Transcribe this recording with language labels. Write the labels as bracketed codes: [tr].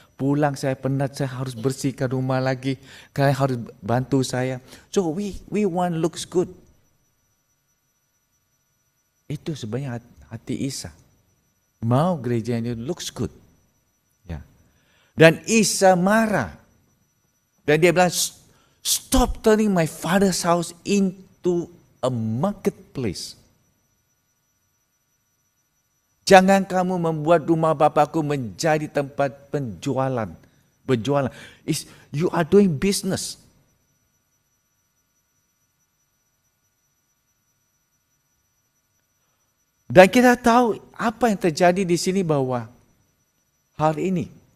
[id] Pulang saya penat, saya harus bersihkan rumah lagi. Kalian harus bantu saya. [en] So we want looks good. [id] Itu sebenarnya hati Isa. Mau gereja ini [en] looks good. [id] Ya. Dan Isa marah. Dan dia bilang, [en] stop turning my father's house into a marketplace. [id] Jangan kamu membuat rumah bapakku menjadi tempat penjualan. Berjualan. [en] You are doing business. [id] Dan kita tahu apa yang terjadi di sini bahwa hal ini.